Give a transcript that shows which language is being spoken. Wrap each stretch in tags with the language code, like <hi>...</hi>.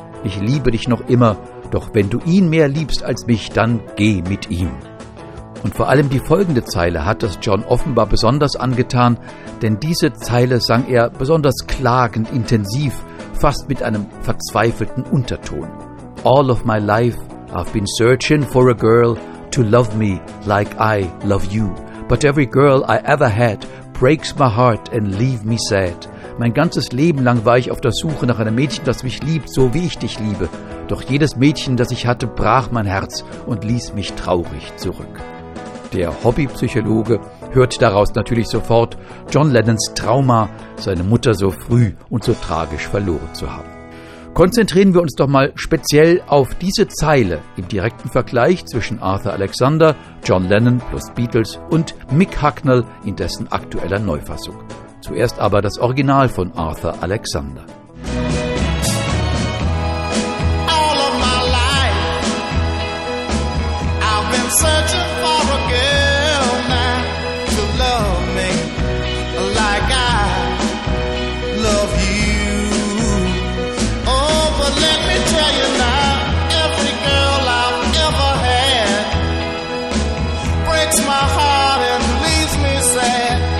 <de>Ich liebe dich noch immer, doch wenn du ihn mehr liebst als mich, dann geh mit ihm. Und vor allem die folgende Zeile hat es John offenbar besonders angetan, denn diese Zeile sang er besonders klagend, intensiv, fast mit einem verzweifelten Unterton.</de> <en>All of my life I've been searching for a girl to love me like I love you. But every girl I ever had breaks my heart and leave me sad.</en> <de>Mein ganzes Leben lang war ich auf der Suche nach einem Mädchen, das mich liebt, so wie ich dich liebe. Doch jedes Mädchen, das ich hatte, brach mein Herz und ließ mich traurig zurück. Der Hobbypsychologe hört daraus natürlich sofort John Lennons Trauma, seine Mutter so früh und so tragisch verloren zu haben. Konzentrieren wir uns doch mal speziell auf diese Zeile im direkten Vergleich zwischen Arthur Alexander, John Lennon plus Beatles und Mick Hucknall in dessen aktueller Neufassung. Zuerst aber das Original von Arthur Alexander.</de> <en>All of my life I've been searching for a girl now to love me like I love you. Oh, but let me tell you now, every girl I've ever had breaks my heart and leaves me sad.</en>